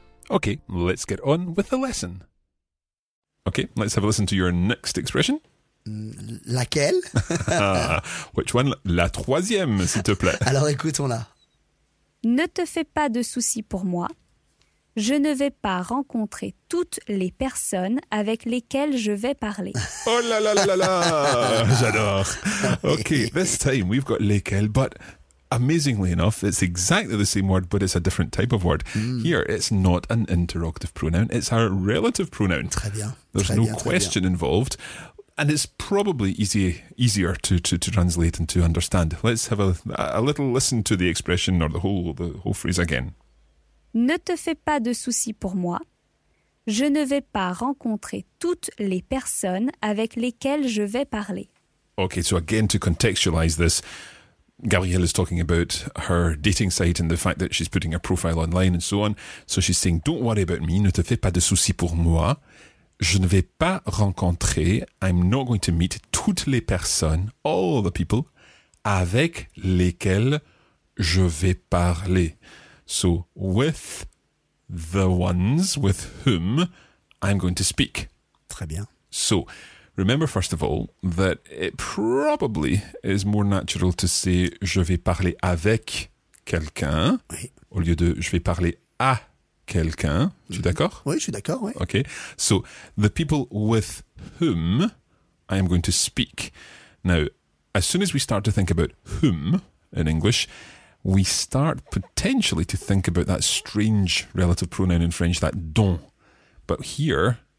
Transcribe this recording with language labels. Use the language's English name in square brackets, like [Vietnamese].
[English] Okay, let's get on with the lesson. Okay, let's have a listen to your next expression. [French] Laquelle? [English] Which one? [French] La troisième, s'il te plaît. Alors écoutons-la. Ne te fais pas de soucis pour moi. Je ne vais pas rencontrer toutes les personnes avec lesquelles je vais parler. Oh là là là là! J'adore! [English] Okay, this time we've got lesquelles, but... Amazingly enough, it's exactly the same word, but it's a different type of word. Mm. Here, it's not an interrogative pronoun. It's a relative pronoun. [French] Très bien. [English] There's [French] très [English] no [French] bien, [English] question [French] bien. [English] Involved. And it's probably easier to translate and to understand. Let's have a little listen to the expression or the whole phrase again. [French] Ne te fais pas de soucis pour moi. Je ne vais pas rencontrer toutes les personnes avec lesquelles je vais parler. [English] Okay, so again, to contextualize this, Gabrielle is talking about her dating site and the fact that she's putting her profile online and so on. So she's saying, don't worry about me, [French] ne te fais pas de soucis pour moi. Je ne vais pas rencontrer, [English] I'm not going to meet [French] toutes les personnes, [English] all the people, [French] avec lesquelles je vais parler. [English] So with the ones, with whom I'm going to speak. [French] Très bien. [English] So... Remember, first of all, that it probably is more natural to say [French] je vais parler avec quelqu'un oui. au lieu de je vais parler à quelqu'un. Mm-hmm. Tu es d'accord? Oui, je suis d'accord, oui. [English] Okay. So, the people with whom I am going to speak. Now, as soon as we start to think about whom in English, we start potentially to think about that strange relative pronoun in French, that dont. But here...